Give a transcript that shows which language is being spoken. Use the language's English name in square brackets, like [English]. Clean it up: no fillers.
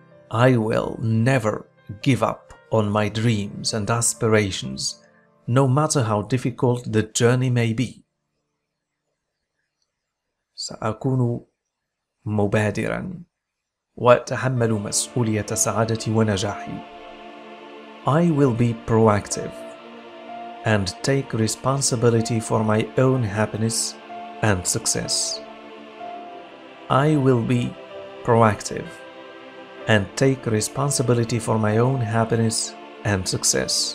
[English] I will never give up on my dreams and aspirations, no matter how difficult the journey may be. [Arabic] سأكون مبادرا وأتحمل مسؤولية سعادتي ونجاحي. [English] I will be proactive and take responsibility for my own happiness and success. I will be proactive and take responsibility for my own happiness and success.